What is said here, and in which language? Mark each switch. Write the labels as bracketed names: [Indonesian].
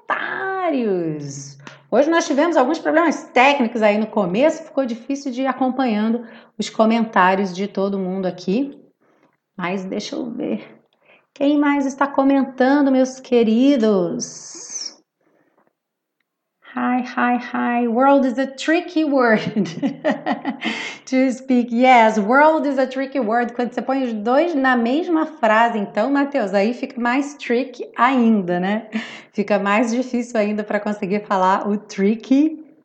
[Portuguese] Comentários. Hoje nós tivemos alguns problemas técnicos aí no começo, ficou difícil de ir acompanhando os comentários de todo mundo aqui. Mas deixa eu ver quem mais está comentando, meus queridos. [English] Hi, hi, hi. World is a tricky word to speak. Yes, world is a tricky word. [Portuguese] Quando você põe os dois na mesma frase, então, Matheus, aí fica mais tricky ainda, né? Fica mais difícil ainda para conseguir falar o tricky.